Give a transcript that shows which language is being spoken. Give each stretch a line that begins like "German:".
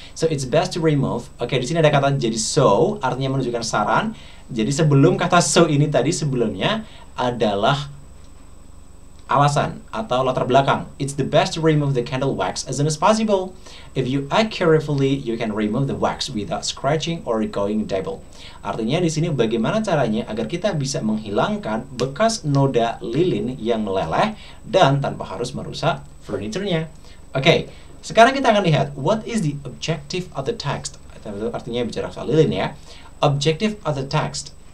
English: So it's best to remove.
Indonesian: Di sini ada kata jadi so, artinya menunjukkan saran. Jadi sebelum kata so ini tadi, sebelumnya adalah alasan atau latar belakang.
English: It's the best to remove the candle wax as soon as possible. If you act carefully, you can remove the wax without scratching or going double.
Indonesian: Artinya di sini bagaimana caranya agar kita bisa menghilangkan bekas noda lilin yang meleleh dan tanpa harus merusak furniturnya.
English: Okay,
Indonesian: sekarang kita akan lihat
English: what is the objective of the text.
Indonesian: Artinya bicara soal lilin ya.
English: Objective of the text.